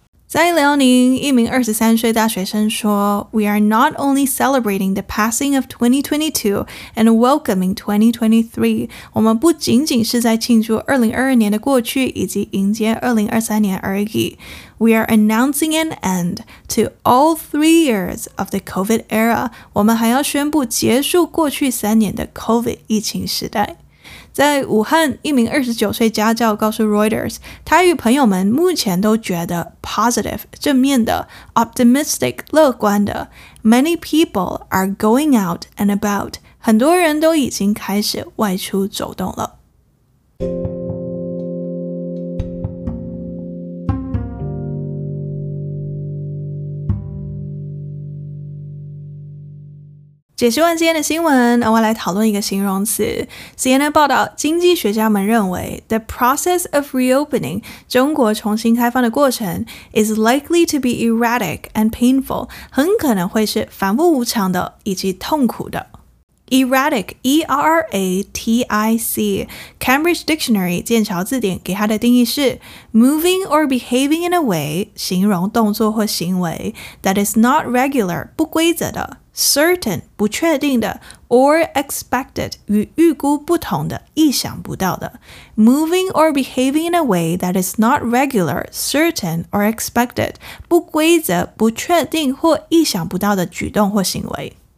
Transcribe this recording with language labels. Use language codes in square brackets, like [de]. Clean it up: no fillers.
[zh] 在辽宁，一名23岁大学生说 [en] We are not only celebrating the passing of 2022 and welcoming 2023, [zh] 我们不仅仅是在庆祝2022年的过去以及迎接2023年而已。 [en] We are announcing an end to all 3 years of the COVID era, [zh] 我们还要宣布结束过去三年的 [en] COVID 疫情时代。 [zh] 在武汉，一名29岁家教告诉 Reuters, 他与朋友们目前都觉得 positive, 正面的 ,optimistic, 乐观的 , [en] many people are going out and about, [zh] 很多人都已经开始外出走动了。解释完今天的新闻，我来讨论一个形容词。CNN 报道，经济学家们认为 [en] The process of reopening, [zh] 中国重新开放的过程 [en] is likely to be erratic and painful, [zh] 很可能会是反复无常的以及痛苦的。 [en] Erratic, E-R-A-T-I-C, Cambridge Dictionary, [zh] 剑桥字典给它的定义是 [en] moving or behaving in a way, [zh] 形容动作或行为 [en] that is not regular, [zh] 不规则的。 [en] certain [zh] 不确定的 [en] or expected [zh] 与预估不同的意想不到的 [en] moving or behaving in a way that is not regular, certain or expected [zh] 不规则不确定或意想不到的举动或行为